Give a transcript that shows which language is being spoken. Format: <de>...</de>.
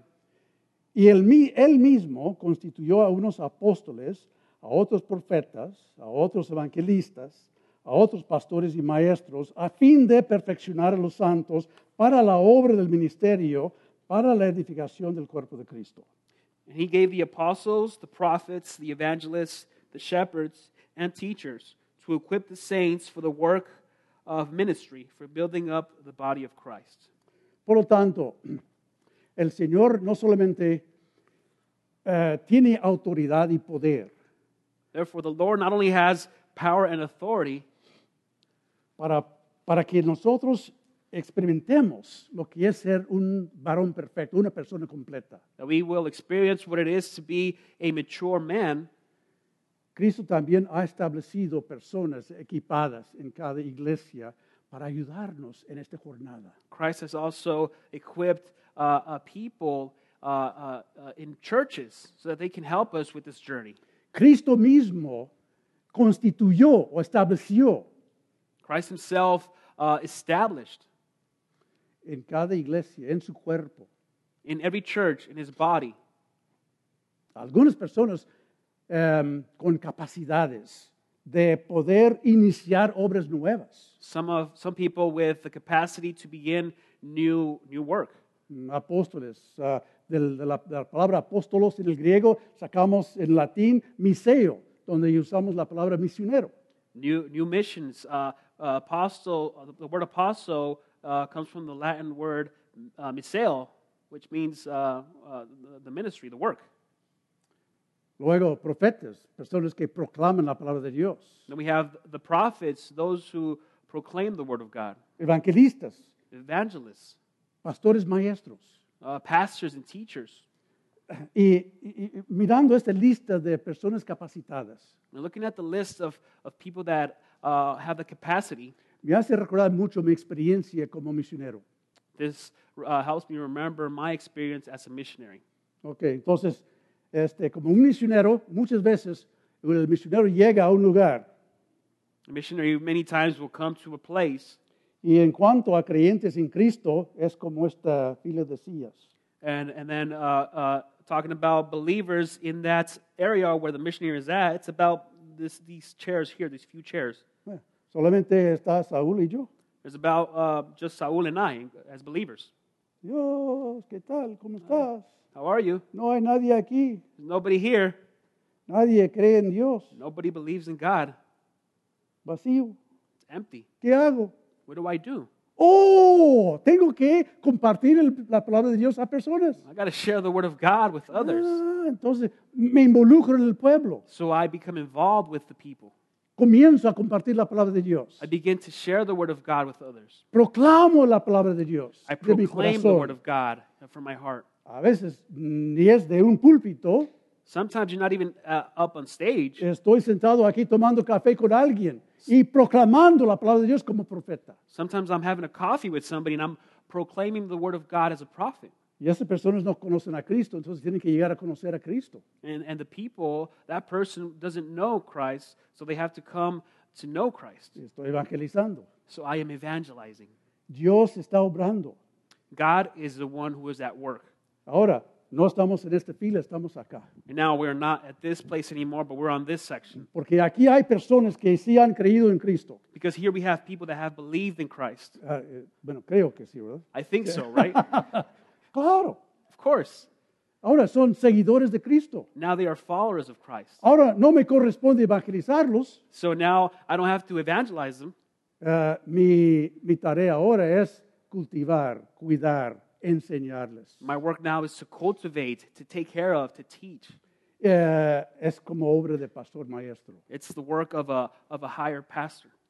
<es>11. Y él mismo constituyó a unos apóstoles, a otros profetas, a otros evangelistas, a otros pastores y maestros, a fin de perfeccionar a los santos para la obra del ministerio, para la edificación del cuerpo de Cristo.</es> <en>And he gave the apostles, the prophets, the evangelists, the shepherds, and teachers to equip the saints for the work of ministry, for building up the body of Christ.</en> <es>Por lo tanto, el Señor no solamente tiene autoridad y poder.</es> <en>Therefore, the Lord not only has power and authority</en> <es>para que nosotros experimentemos lo que es ser un varón perfecto, una persona completa.</es> <en>That we will experience what it is to be a mature man.</en> <es>Cristo también ha establecido personas equipadas en cada iglesia para ayudarnos en esta jornada.</es> <en>Christ has also equipped people in churches so that they can help us with this journey.</en> <es>Cristo mismo constituyó o estableció.</es> <en>Christ himself established.</en> <es>En cada iglesia, en su cuerpo.</es> <en>In every church, in his body.</en> <es>Algunas personas con capacidades de poder iniciar obras nuevas.</es> <en>Some people with the capacity to begin new work.</en> <es>Apóstoles. De la palabra apóstolos en el griego, sacamos en latín miseo, donde usamos la palabra misionero.</es> <en>New missions. The word apostle comes from the Latin word miseo, which means the ministry, the work.</en> <es>Luego, profetas, personas que proclaman la palabra de Dios.</es> <en>Then we have the prophets, those who proclaim the word of God.</en> <es>Evangelistas.</es> <en>Evangelists.</en> <es>Pastores maestros.</es> <en>Pastors and teachers.</en> <es>Y mirando esta lista de personas capacitadas.</es> <en>And looking at the list of people that have the capacity.</en> <es>Me hace recordar mucho mi experiencia como misionero.</es> <en>This helps me remember my experience as a missionary.</en> <es>Okay, entonces, como un misionero, muchas veces el misionero llega a un lugar.</es> <en>A missionary many times will come to a place.</en> <es>Y en cuanto a creyentes en Cristo, es como esta fila de sillas.</es> <en>And then talking about believers in that area where the missionary is at, it's about these chairs here, these few chairs.</en> <es>Solamente está Saúl y yo.</es> <en>It's about just Saúl and I as believers.</en> <es>Dios, ¿qué tal? ¿Cómo estás?</es> <en>How are you?</en> <es>No hay nadie aquí.</es> <en>There's nobody here.</en> <es>Nadie cree en Dios.</es> <en>Nobody believes in God.</en> <es>Vacío.</es> <en>It's empty.</en> <es>¿Qué hago?</es> <en>What do I do?</en> <es>Oh, tengo que compartir la palabra de Dios a personas.</es> <en>I got to share the word of God with others.</en> <es>Entonces me involucro en el pueblo.</es> <en>So I become involved with the people.</en> <es>Comienzo a compartir la palabra de Dios.</es> <en>I begin to share the word of God with others.</en> <es>Proclamo la palabra de Dios.</es> <en>I proclaim the word of God from my heart.</en> <es>A veces ni es de un púlpito.</es> <en>Sometimes you're not even up on stage.</en> <es>Estoy sentado aquí tomando café con alguien. y proclamando la palabra de Dios como profeta.</es> <en>Sometimes I'm having a coffee with somebody and I'm proclaiming the word of God as a prophet.</en> <es>Y esas personas no conocen a Cristo, entonces tienen que llegar a conocer a Cristo.</es> <en>And the people, that person doesn't know Christ, so they have to come to know Christ.</en> <es>Estoy evangelizando.</es> <en>So I am evangelizing.</en> <es>Dios está obrando.</es> <en>God is the one who is at work.</en> <es>Ahora, no estamos en esta fila, estamos acá.</es> <en>And now we are not at this place anymore, but we're on this section.</en> <es>Porque aquí hay personas que sí han creído en Cristo.</es> <en>Because here we have people that have believed in Christ.</en> <es>Bueno, creo que sí, ¿verdad?</es> <en>I think so, right?</en> <es>Claro.</es> <en>Of course.</en> <es>Ahora son seguidores de Cristo.</es> <en>Now they are followers of Christ.</en> <es>Ahora no me corresponde evangelizarlos.</es> <en>So now I don't have to evangelize them.</en> <es>Mi tarea ahora es cultivar, cuidar, enseñarles.</es> <en>My work now is to cultivate, to take care of, to teach.</en> <es>Es como obra de pastor maestro.</es> <en>It's the work of a higher pastor.</en>